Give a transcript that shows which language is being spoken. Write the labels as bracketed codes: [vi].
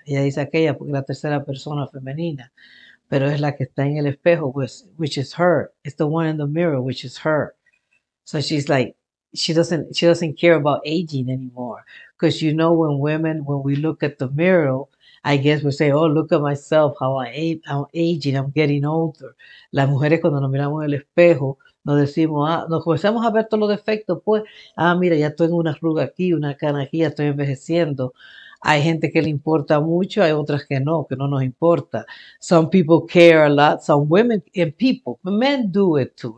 [es] Ella dice aquella porque es la tercera persona femenina, pero es la que está en el espejo, [en] which is her. It's the one in the mirror, which is her. So she's like, she doesn't care about aging anymore. Because you know, when women, when we look at the mirror, I guess we say, oh, look at myself, how I'm getting older. [es] Las mujeres cuando nos miramos en el espejo, nos decimos, ah, nos comenzamos a ver todos los defectos, pues, ah, mira, ya tengo una arruga aquí, una cana aquí, ya estoy envejeciendo. Hay gente que le importa mucho, hay otras que no nos importa. [en] Some people care a lot, some women and people, men do it too.